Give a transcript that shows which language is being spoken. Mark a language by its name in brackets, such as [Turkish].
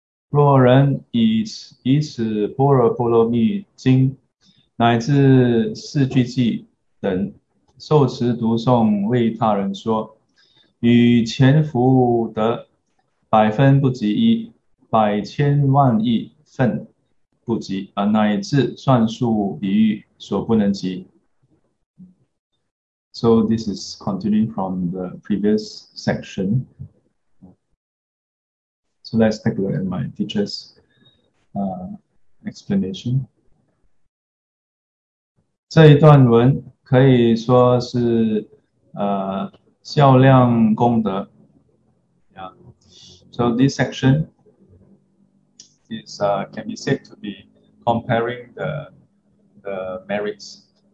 [Chinese] 若人以此般若波罗蜜经，乃至四句偈等，受持读诵，为他人说，与前福得百分不及一，百千万亿分不及，乃至算数比喻所不能及。 [English] So this is continuing from the previous section. So let's take a look at my teacher's explanation. [Chinese] 这一段文可以说是孝量功德。 [English] So this section is can be said to be comparing the merits.